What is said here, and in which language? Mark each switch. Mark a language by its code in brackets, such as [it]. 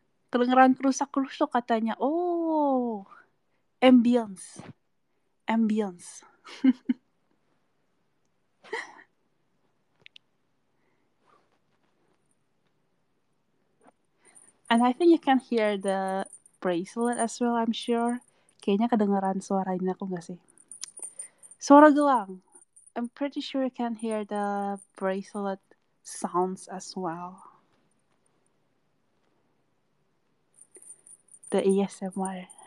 [id] Kedengeran kerusak-kerusuk katanya, oh, ambience. [en] And I think you can hear the bracelet as well, I'm sure. [id] Kayaknya kedengeran suara ini aku gak sih? Suara gelang. [en] I'm pretty sure you can hear the bracelet sounds as well. The ASMR.